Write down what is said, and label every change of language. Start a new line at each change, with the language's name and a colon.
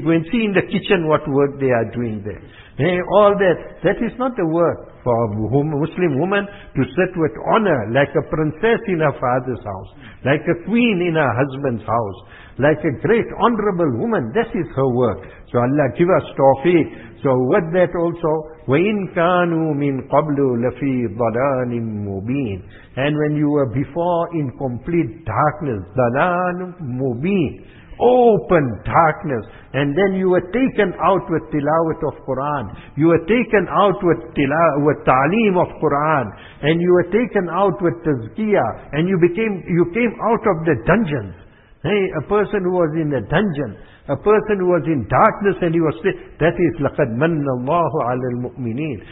English: Go and see in the kitchen what work they are doing there. All that is not the work for a Muslim woman to sit with honor, like a princess in her father's house, like a queen in her husband's house, like a great honorable woman. That is her work. So Allah give us tawfiq. So with that also,
Arabic: وَإِن كَانُوا مِن قَبْلُ لَفِي ضَلَالٍ مُبِينٍ.
English: And when you were before in complete darkness,
Arabic: ضَلَالٍ مُبِينٍ,
English: open darkness, and then you were taken out with tilawat of Quran, you were taken out with ta'aleem of Quran, and you were taken out with tazkiyah, and you came out of the dungeons. A person who was in a dungeon, a person who was in darkness, and he was sick. That is
Arabic: لَقَدْ مَنَّ اللَّهُ عَلَى الْمُؤْمِنِينَ.